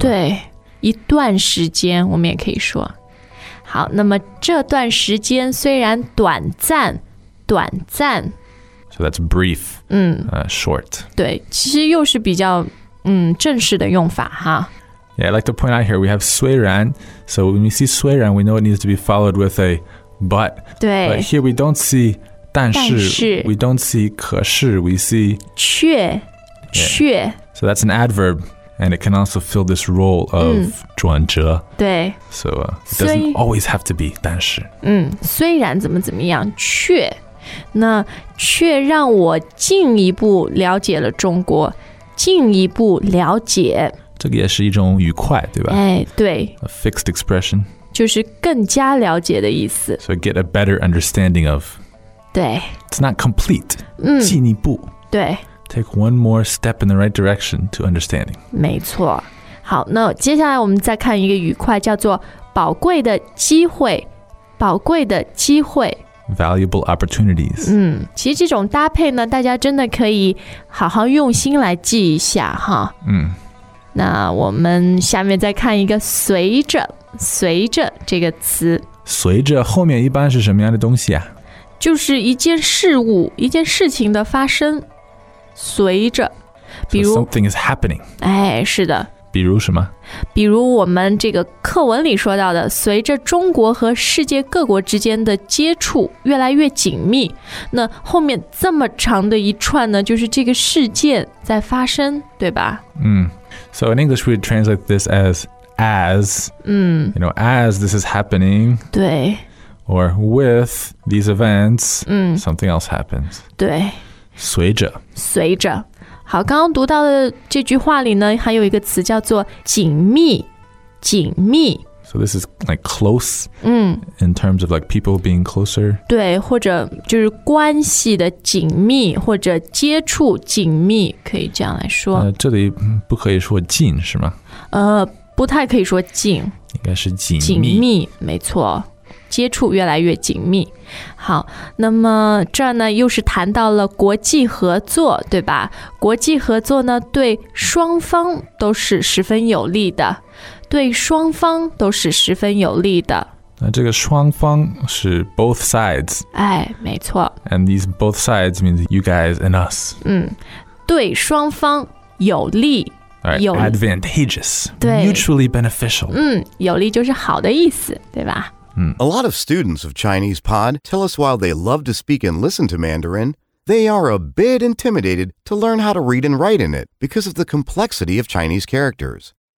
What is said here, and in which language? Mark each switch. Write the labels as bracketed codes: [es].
[zh] 对，一段时间我们也可以说。好，那么这段时间虽然短暂，短暂。 [en] So that's brief. Short. [zh] 对，其实又是比较正式的用法哈。 [en] Yeah, I'd like to point out here, we have 虽然。 So when we see 虽然, we know it needs to be followed with a but. [zh] 对。 [en] But here we don't see... 但是, [zh] 但是 [en] we don't see 可是 we see [zh] 却, yeah. 却 [en] So that's an adverb, and it can also fill this role of 转折 [zh] 对 [en] So it doesn't always have to be 但是 [zh] 虽然怎么怎么样却那却让我进一步了解了中国进一步了解这个也是一种愉快对吧对 [en] A fixed expression [zh] 就是更加了解的意思 [en] So get a better understanding of [zh] 对 [en] It's not complete 进一步 [zh] 对 [en] Take one more step in the right direction to understanding [zh] 没错好那接下来我们再看一个语块叫做宝贵的机会宝贵的机会 [en] Valuable opportunities [zh] 其实这种搭配呢大家真的可以好好用心来记一下哈那我们下面再看一个随着随着这个词随着后面一般是什么样的东西啊就是一件事物一件事情的发生随着比如、 [en] so、something is happening [zh] 是的比如什么比如我们这个课文里说到的随着中国和世界各国之间的接触越来越紧密那后面这么长的一串呢就是这个事件在发生对吧 [en] So in English we translate this as you know, as this is happening [zh] 对 [en] Or with these events, something else happens. [zh] 对，随着，随着。好，刚刚读到的这句话里呢，还有一个词叫做紧密，紧密。 [en] So this is like close、嗯、 in terms of like people being closer. [zh] 对，或者就是关系的紧密，或者接触紧密，可以这样来说。这里不可以说近，是吗？不太可以说近，应该是紧密。紧密，没错，接触越来越紧密。好，那么这儿呢又是谈到了国际合作，对吧？国际合作呢对双方都是十分有利的，对双方都是十分有利的。那这个双方是 [en] both sides。 [zh] 哎，没错。 [en] And these both sides means you guys and us。 [zh] 嗯，对双方有利。 [en] Right, advantageous, mutually beneficial. [zh] 嗯，有利就是好的意思，对吧？嗯。 [en] A lot of students of Chinese Pod tell us while they love to speak and listen to Mandarin, they are a bit intimidated to learn how to read and write in it because of the complexity of Chinese characters.